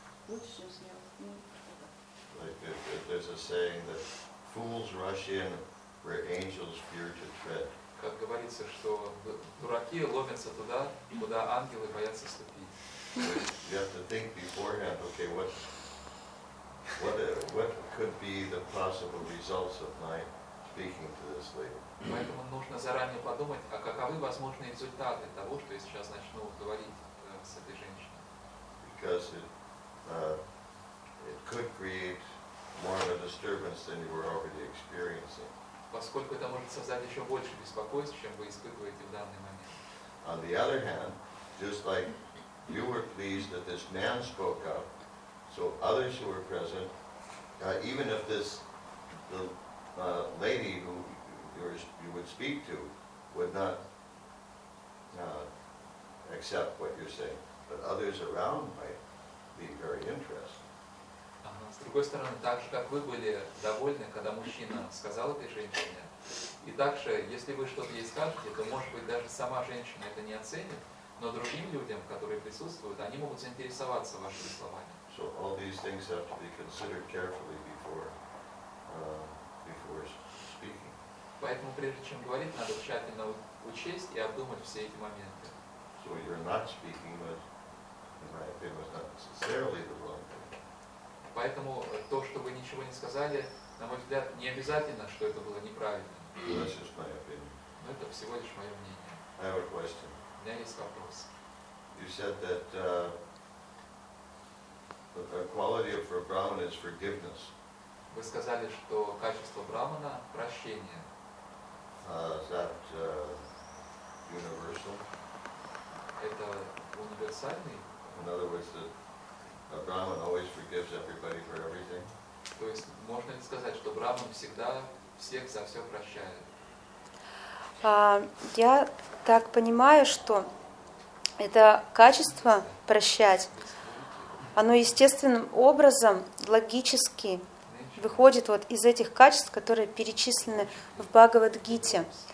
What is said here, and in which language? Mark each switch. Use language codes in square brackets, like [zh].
[en] Like there's a saying that fools rush in where angels fear to tread. [ru] Как говорится, что дураки ломятся туда, куда ангелы боятся ступить. [en] You have to think beforehand, okay, what could be the possible results of my speaking to this lady? [ru] Поэтому нужно заранее подумать, а каковы возможные результаты того, что я сейчас начну говорить с этой женщиной. [en] Because it could create more of a disturbance than you were already experiencing. [ru] Поскольку это может создать еще больше беспокойств, чем вы испытываете в данный момент. [en] On the other hand, just like you were pleased that this man spoke up, so others who were present, even if this lady who you would speak to would not accept what you're saying, but others around might be very interested. [ru] С другой стороны, так же, как вы были довольны, когда мужчина сказал этой женщине, и также, если вы что-то ей скажете, то, может быть, даже сама женщина это не оценит, но другим людям, которые присутствуют, они могут заинтересоваться вашими словами. [en] So all these things have to be considered carefully before, before speaking. [ru] Поэтому, прежде чем говорить, надо тщательно учесть и обдумать все эти моменты. [en] So you're not speaking, but in my opinion, not necessarily the wrong thing. [ru] Поэтому то, что вы ничего не сказали, на мой взгляд, не обязательно, что это было неправильно. [en] That's just my opinion. [ru] Но это всего лишь мое мнение. [en] I have a question. [ru] У меня есть вопрос. [en] You said that the quality of a Brahman is forgiveness. [ru] Вы сказали, что качество Брахмана – прощение. [en] Is that universal? [ru] Это универсальный? [en] In other words, a Brahman always forgives everybody for everything. [ru] То есть можно ли сказать, что Брахман всегда всех за все прощает? Я так понимаю, что это качество прощать, оно естественным образом, логически выходит вот из этих качеств, которые перечислены в Бхагавад-гите.